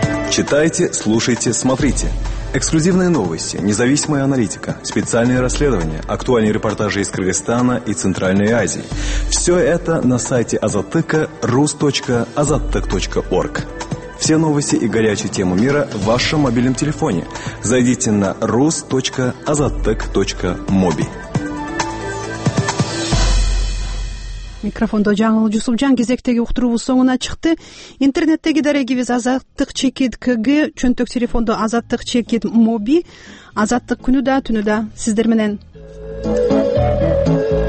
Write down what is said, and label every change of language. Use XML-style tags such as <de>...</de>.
<ru>Читайте, слушайте, смотрите. Эксклюзивные новости, независимая аналитика, специальные расследования, актуальные репортажи из Кыргызстана и Центральной Азии. Все это на сайте Азаттыка rus.azattyk.org. Все новости и горячие темы мира в вашем мобильном телефоне. Зайдите на rus.azattyk.mobi.</ru> <ky>Микрофондо Жаңыл Жусупжан кезектеги уктуруубуз соңуна чыкты. Интернеттеги дарегибиз Азаттык чекит КГ, чөнтөк телефондо Азаттык чекит Моби. Азаттык күнү да, түнү да сиздер менен.</ky>